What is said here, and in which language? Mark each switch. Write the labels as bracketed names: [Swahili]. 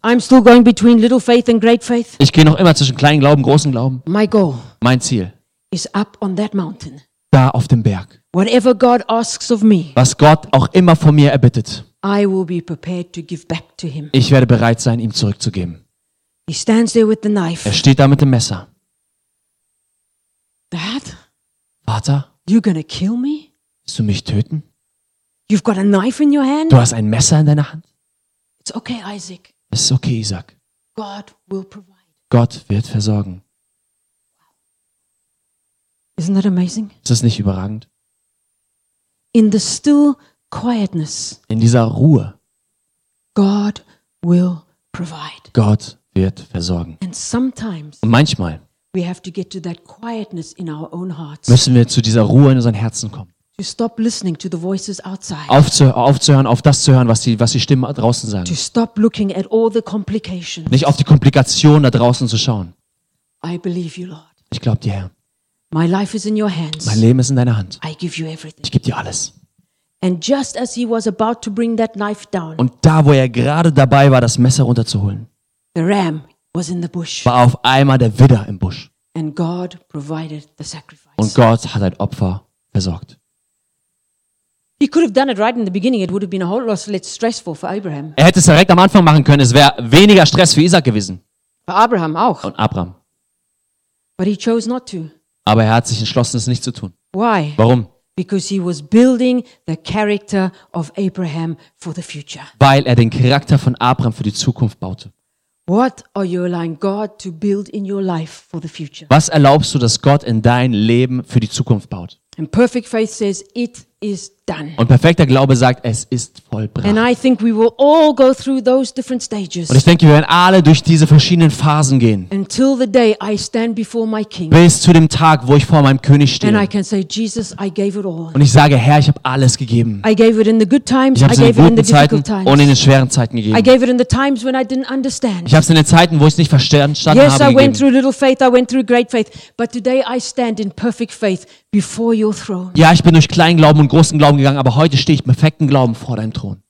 [English] I'm still going between little faith and great faith. [German] Ich gehe noch immer zwischen kleinen Glauben, großen Glauben. [English] My goal, [German] mein Ziel, [English] is up on that mountain. [German] Da auf dem Berg. [English] Whatever God asks of me, [German] was Gott auch immer von mir erbittet, [English] I will be prepared to give back to him. [German] Ich werde bereit sein, ihm zurückzugeben. [English] He stands there with the knife. [German] Er steht da mit dem Messer. [English] Dad, [German] Vater, [English] you're gonna kill me? [German] Willst du mich töten? [English] You've got a knife in your hand? [German] Du hast ein Messer in deiner Hand? [English] It's okay, Isaac. [German] Es ist okay, Isaac. [English] God will provide. [German] Gott wird versorgen. [English] Isn't that amazing? [German] Ist das nicht überragend? [English] In the still quietness. [German] In dieser Ruhe. [English] God will provide. [German] Gott wird versorgen. [English] And sometimes. [German] Und manchmal. [English] We have to get to that quietness in our own hearts. [German] Müssen wir zu dieser Ruhe in unseren Herzen kommen. [English] To stop listening to the voices outside. [German] Aufzuhören, auf das zu hören, was die Stimmen draußen sagen. [English] To stop looking at all the complications. [German] Nicht auf die Komplikationen da draußen zu schauen. [English] I believe you, Lord. [German] Ich glaube dir, Herr. [English] My life is in your hands. [German] Mein Leben ist in deiner Hand. [English] I give you everything. [German] Ich gebe dir alles. [English] And just as he was about to bring that knife down. [German] Und da, wo er gerade dabei war, das Messer runterzuholen. [English] The ram was in the bush. [German] War auf einmal der Widder im Busch. [English] And God provided the sacrifice. [German] Und Gott hat ein Opfer versorgt. [English] He could have done it right in the beginning. It would have been a whole lot less stressful for Abraham. [German] Er hätte es direkt am Anfang machen können. Es wäre weniger Stress für Isaac gewesen. [English] For Abraham [German] auch. Und Abraham. [English] But he chose not to. [German] Aber er hat sich entschlossen, es nicht zu tun. [English] Why? [German] Warum? [English] Because he was building the character of Abraham for the future. [German] Weil er den Charakter von Abraham für die Zukunft baute. [English] What are you allowing God to build in your life for the future? [German] Was erlaubst du, dass Gott in dein Leben für die Zukunft baut? [English] And perfect faith says it is done. [German] Und perfekter Glaube sagt, es ist vollbracht. [English] And I think we will all go through those different stages. [German] Und ich denke, wir werden alle durch diese verschiedenen Phasen gehen. [English] Until the day I stand before my king. [German] Bis zu dem Tag, wo ich vor meinem König stehe. [English] And I can say, Jesus, I gave it all. [German] Und ich sage, Herr, ich habe alles gegeben. [English] I gave it in the good times. [German] Ich habe es in den guten Zeiten und in den schweren Zeiten gegeben. [English] I gave it in the times when I didn't understand. [German] Ich habe es in den Zeiten, wo ich es nicht verstanden habe, gegeben. [English] Yes, I went through little faith, I went through great faith, but today I stand in perfect faith before your throne. [German] Ja, ich bin durch kleinen Glauben und großen Glauben gegangen, aber heute stehe ich mit perfekten Glauben vor deinem Thron.